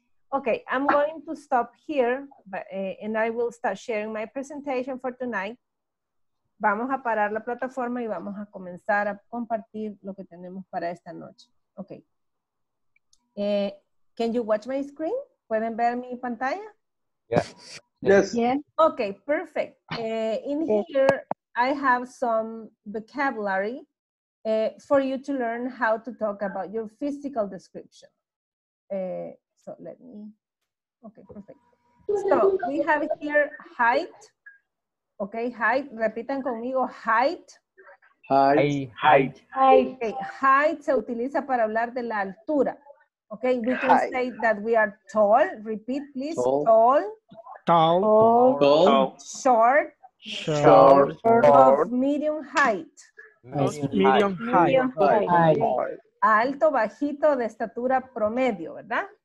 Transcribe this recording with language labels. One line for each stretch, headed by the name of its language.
English: Okay, I'm going to stop here, and I will start sharing my presentation for tonight.
Spanish: Vamos a parar la plataforma y vamos a comenzar a compartir lo que tenemos para esta noche.
English: Okay. Can you watch my screen?
Spanish: ¿Pueden ver mi pantalla?
English: Yeah. Yes. Okay, perfect. In here, I have some vocabulary for you to learn how to talk about your physical description. So let me, okay, perfect. So we have here height. Okay, height.
Spanish: Repitan conmigo, height.
English: Height. Height.
Spanish: Okay, height se utiliza para hablar de la altura.
English: Okay, we can say that we are tall. Repeat, please. Tall. Tall. Short. Short. Of medium height. Medium height.
Spanish: Alto, bajito, de estatura promedio, ¿verdad?